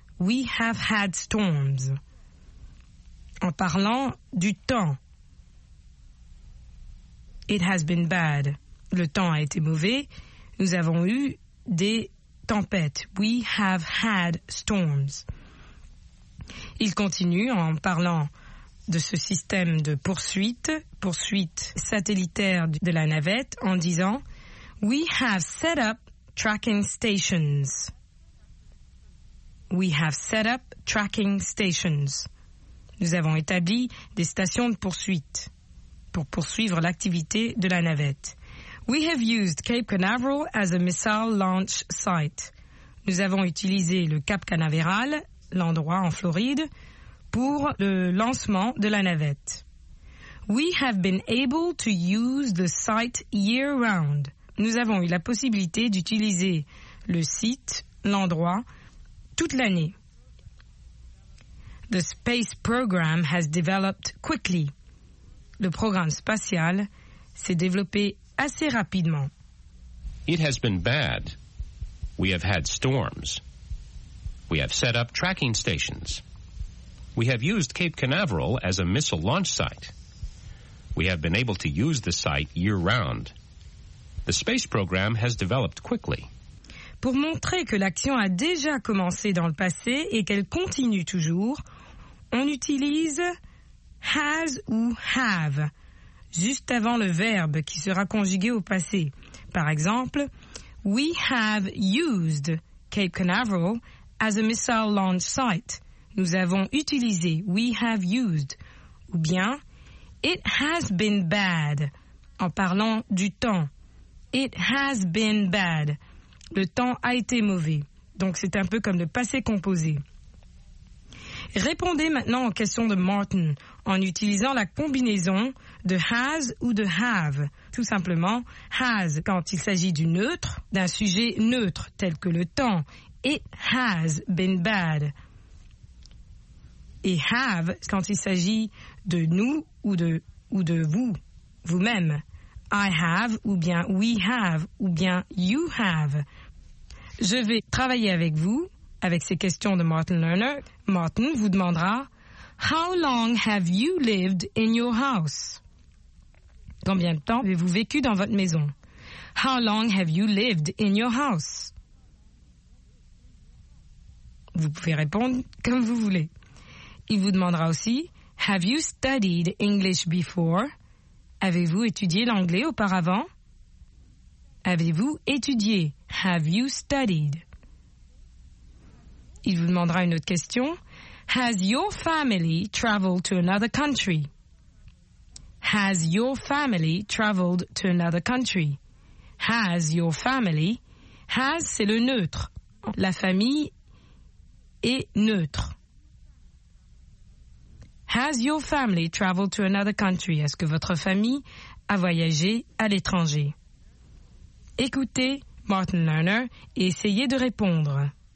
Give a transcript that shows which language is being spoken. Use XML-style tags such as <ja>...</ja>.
<en>We have had storms. »</en> <fr>En parlant du temps. «</fr> <en>It has been bad.</en> <fr>» Le temps a été mauvais. Nous avons eu des tempêtes. «</fr> <en>We have had storms.</en> <fr>» Il continue en parlant de ce système de poursuite satellitaire de la navette, en disant «</fr> <en>We have set up tracking stations. We have set up tracking stations.</en> <fr>Nous avons établi des stations de poursuite pour poursuivre l'activité de la navette.</fr> <en>We have used Cape Canaveral as a missile launch site.</en> <fr>Nous avons utilisé le Cap Canaveral, l'endroit en Floride, pour le lancement de la navette.</fr> <en>We have been able to use the site year round.</en> <fr>Nous avons eu la possibilité d'utiliser le site, l'endroit, toute l'année.</fr> <en>The space program has developed quickly.</en> <fr>Le programme spatial s'est développé assez rapidement.</fr> <en>It has been bad. We have had storms. We have set up tracking stations. We have used Cape Canaveral as a missile launch site. We have been able to use the site year-round. The space program has developed quickly.</en> <fr>Pour montrer que l'action a déjà commencé dans le passé et qu'elle continue toujours, on utilise has ou have, juste avant le verbe qui sera conjugué au passé. Par exemple,</fr> <en>we have used Cape Canaveral as a missile launch site.</en> <fr>Nous avons utilisé,</fr> <en>we have used.</en> <fr>Ou bien,</fr> <en>it has been bad,</en> <fr>en parlant du temps.</fr> <en>It has been bad.</en> <fr>Le temps a été mauvais. Donc, c'est un peu comme le passé composé. Répondez maintenant aux questions de Martin en utilisant la combinaison de has ou de have. Tout simplement, has quand il s'agit du neutre, d'un sujet neutre tel que le temps.</fr> <en>It has been bad.</en> <fr>Et have quand il s'agit de nous ou de vous, vous-même.</fr> <en>I have</en> <fr>ou bien</fr> <en>we have ou bien you have.</en> <fr>Je vais travailler avec vous, avec ces questions de Martin Lerner. Martin vous demandera,</fr> <en>how long have you lived in your house?</en> <fr>Combien de temps avez-vous vécu dans votre maison?</fr> <en>How long have you lived in your house?</en> <fr>Vous pouvez répondre comme vous voulez. Il vous demandera aussi,</fr> <en>have you studied English before?</en> <fr>Avez-vous étudié l'anglais auparavant? Avez-vous étudié?</fr> <en>Have you studied?</en> <fr>Il vous demandera une autre question.</fr> <en>Has your family traveled to another country? Has your family traveled to another country? Has your family? Has,</en> <fr>c'est le neutre. La famille est neutre.</fr> <en>Has your family traveled to another country?</en> <fr>Est-ce que votre famille a voyagé à l'étranger? Écoutez Martin Lerner et essayez de répondre.</fr>